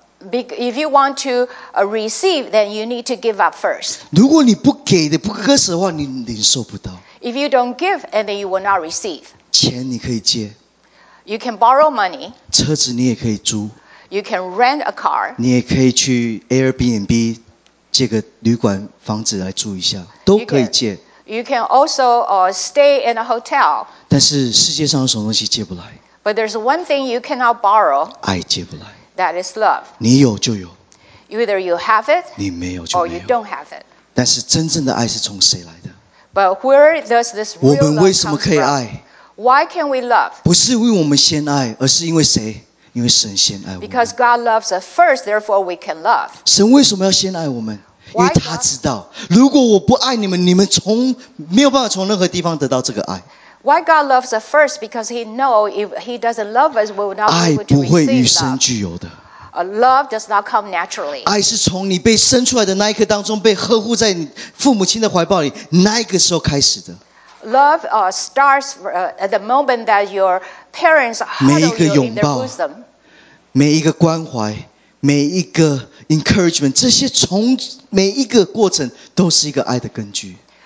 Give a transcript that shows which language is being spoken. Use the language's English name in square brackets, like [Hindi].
[English] If you want to receive, then you need to give up first. [Chinese] 如果你不给的不割舍的话，你领受不到。 [English] If you don't give, and then you will not receive. [Chinese] 钱你可以借。 [English] You can borrow money. [Chinese] 车子你也可以租。 [English] You can rent a car. [Chinese] 你也可以去 Airbnb 借个旅馆房子来住一下，都可以借。 [English] You can also stay in a hotel. [Chinese] 但是世界上有什么东西借不来 [English] ？But there's one thing you cannot borrow. [Chinese] 爱借不来。 [English] That is love. [Chinese] 你有就有。 [English] Either you have it. [Chinese] 你没有就没有。 [English] Or you don't have it. [Chinese] 但是真正的爱是从谁来的 [English] ？But where does this real love come from? [Chinese] 我们为什么可以爱？ [English] Why can we love? [Chinese] 不是为我们先爱，而是因为谁？因为神先爱我们。 [English] Because God loves us first, therefore we can love. [Chinese] 神为什么要先爱我们？因为他知道，如果我不爱你们，你们从没有办法从任何地方得到这个爱。 [English] Why God loves us first? Because He knows if He doesn't love us, we will not be able to receive love. [Chinese] 爱不会与生俱有的。 [English] Love does not come naturally. [Chinese] 爱是从你被生出来的那一刻当中，被呵护在父母亲的怀抱里，那一个时候开始的。 [English] Love starts at the moment that your parents huddle you in their bosom. [Chinese] 每一个关怀，每一个 encouragement， 这些从每一个过程都是一个爱的根据。